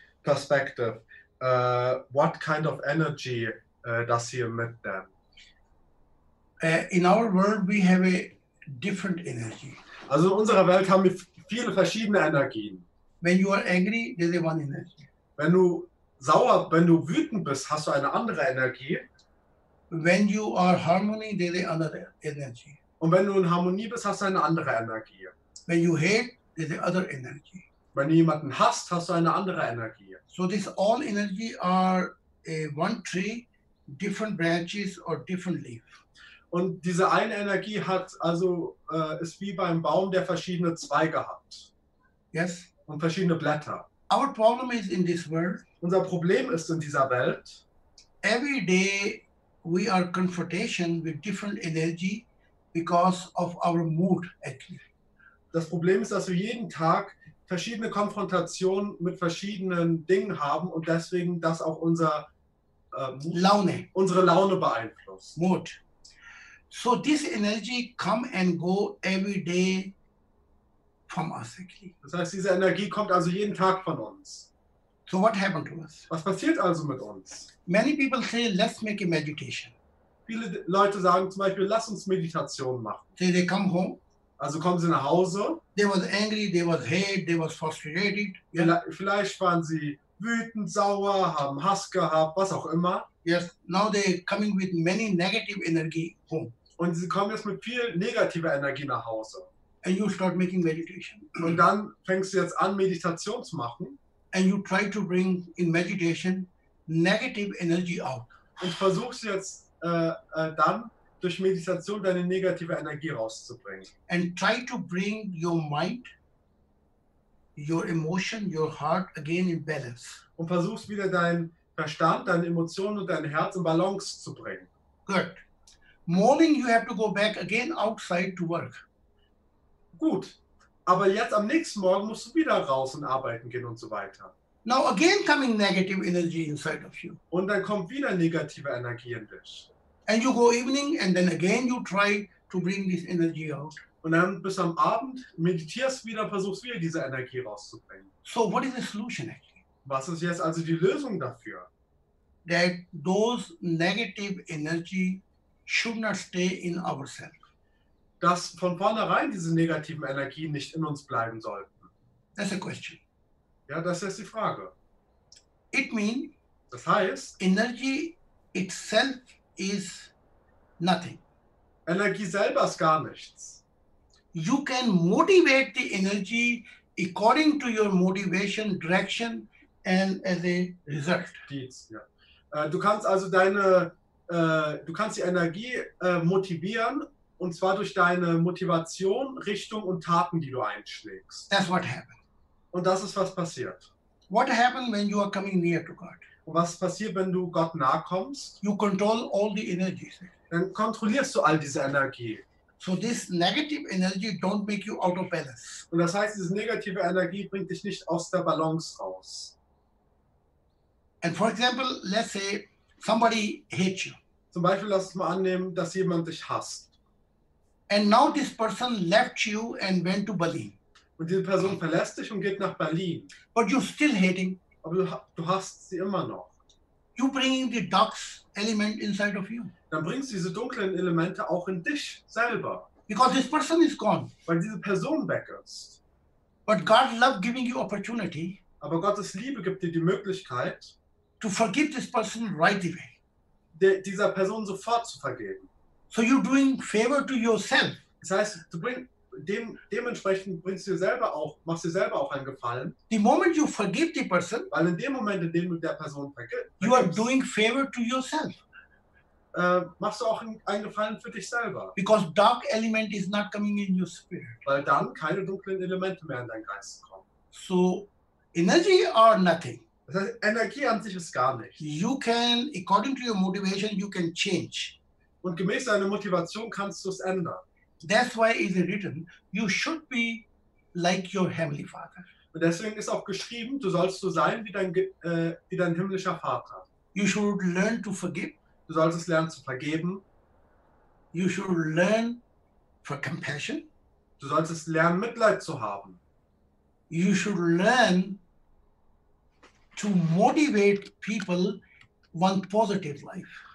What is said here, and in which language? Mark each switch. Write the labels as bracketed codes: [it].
[en] perspective, what kind of energy does he emit then? In our world, we have a different energy. [de] Also in unserer Welt haben wir viele verschiedene Energien. [en] When you are angry, there's a one energy. [de] Wenn du sauer, wenn du wütend bist, hast du eine andere Energie. [en] When you are harmony, there's another energy. [de] Und wenn du in Harmonie bist, hast du eine andere Energie. [en] When you hate, there's another energy. [de] Wenn du jemanden hasst, hast du eine andere Energie. [en] So these all energy are a one tree, different branches or different leaf. [de] Und diese eine Energie hat also ist wie beim Baum, der verschiedene Zweige hat. [en] Yes. [de] Und verschiedene Blätter. [en] Our problem is in this world. [de] Unser Problem ist in dieser Welt. [en] Every day we are confrontation with different energy because of our mood actually. [de] Das Problem ist, dass wir jeden Tag verschiedene Konfrontationen mit verschiedenen Dingen haben und deswegen das auch unser Laune, unsere Laune beeinflusst. [en] Mood. So this energy come and go every day from us. [de] Das heißt, diese Energie kommt also jeden Tag von uns. [en] So what happened to us? [de] Was passiert also mit uns? [en] Many people say, let's make a meditation. [de] Viele Leute sagen zum Beispiel, lass uns Meditation machen. [en] So they come home. [de] Also kommen sie nach Hause. [en] They was angry, they was hate, they was frustrated. [de] Vielleicht waren sie wütend, sauer, haben Hass gehabt, was auch immer. [en] Yes, now they coming with many negative energy home. [de] Und sie kommen jetzt mit viel negativer Energie nach Hause. [en] And you start making meditation. [de] Und dann fängst du jetzt an, Meditation zu machen. [en] And you try to bring in meditation negative energy out. [de] Und versuchst jetzt dann durch Meditation deine negative Energie rauszubringen. [en] And try to bring your mind, your emotion, your heart again in balance. [de] Und versuchst wieder dein Verstand, deine Emotionen und dein Herz in Balance zu bringen. [en] Good. Morning you have to go back again outside to work. [de] Gut. Aber jetzt am nächsten Morgen musst du wieder raus und arbeiten gehen und so weiter. [en] Now again coming negative energy inside of you. [de] Und dann kommt wieder negative Energie in dich. [en] And you go evening and then again you try to bring this energy out. [de] Und dann bis am Abend meditierst wieder, versuchst wieder diese Energie rauszubringen. [en] So what is the solution actually? [de] Was ist jetzt also die Lösung dafür? [en] That those negative energy should not stay in ourselves. [de] Dass von vornherein diese negativen Energien nicht in uns bleiben sollten. [en] That's a question. [de] Ja, das ist die Frage. [en] It means. [de] Das heißt. [en] Energy itself is nothing. [de] Energie selber ist gar nichts. [en] You can motivate the energy according to your motivation, direction. And as a result. [de] Du kannst also deine, du kannst die Energie motivieren und zwar durch deine Motivation, Richtung und Taten, die du einschlägst. [en] That's what happened. [de] Und das ist was passiert. [en] What happened when you are coming near to God? [de] Und was passiert, wenn du Gott nahe kommst? [en] You control all the energies. [de] Dann kontrollierst du all diese Energie. [en] So this negative energy don't make you out of balance. [de] Und das heißt, diese negative Energie bringt dich nicht aus der Balance raus. [en] And for example, let's say somebody hates you. [de] Zum Beispiel lass es mal annehmen, dass jemand dich hasst. [en] And now this person left you and went to Berlin. [de] Und diese Person verlässt dich und geht nach Berlin. [en] But you're still hating. [de] Aber du hasst sie immer noch. [en] You bringing the dark element inside of you. [de] Dann bringst du diese dunklen Elemente auch in dich selber. [en] Because this person is gone. [de] Weil diese Person weg ist. [en] But God loves giving you opportunity. [de] Aber Gottes Liebe gibt dir die Möglichkeit, [en] to forgive this person right away. [de] Dieser Person sofort zu vergeben. [en] So you're doing favor to yourself. [de] Das heißt, du dementsprechend bringst du selber auch, machst dir selber auch einen Gefallen. [en] The moment you forgive the person, [de] weil in dem Moment, in dem du der Person vergibst, [en] you are doing favor to yourself. [de] Machst du auch einen Gefallen für dich selber. [en] Because dark element is not coming in your spirit. [de] Weil dann keine dunklen Elemente mehr in deinen Geist kommen. [en] So energy or nothing. [de] Das heißt, Energie an sich ist gar nichts. [en] You can, according to your motivation, you can change. [de] Und gemäß deiner Motivation kannst du es ändern. [en] That's why it is written, you should be like your heavenly father. [de] Und deswegen ist auch geschrieben, du sollst so sein wie dein himmlischer Vater. [en] You should learn to forgive. [de] Du sollst es lernen zu vergeben. [en] You should learn for compassion. [de] Du sollst es lernen, Mitleid zu haben. [en] You should learn to motivate people one positive life.